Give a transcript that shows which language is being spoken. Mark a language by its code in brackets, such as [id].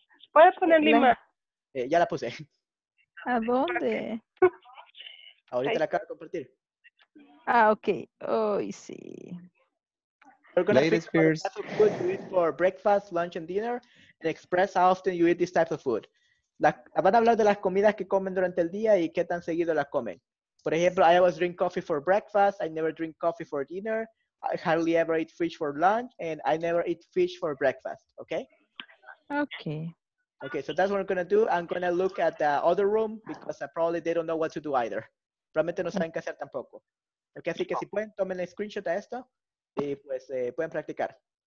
[es] ¿Puedes poner Lima? Ya la puse. ¿A dónde? Ahorita la acabo de compartir. [en] Ah, okay. Oh, I see. We're going to pick up a type of food you eat for breakfast, lunch, and dinner, and express how often you eat this type of food. [es] Van a hablar de las comidas que comen durante el día y qué tan seguido las comen. Por ejemplo, [en] I always drink coffee for breakfast. I never drink coffee for dinner. I hardly ever eat fish for lunch. And I never eat fish for breakfast. Okay? Okay. Okay, so that's what I'm going to do. I'm going to look at the other room because probably they don't know what to do either. [es] Realmente no saben qué hacer tampoco. Okay, así que si pueden, tomen el screenshot de esto y pues pueden practicar.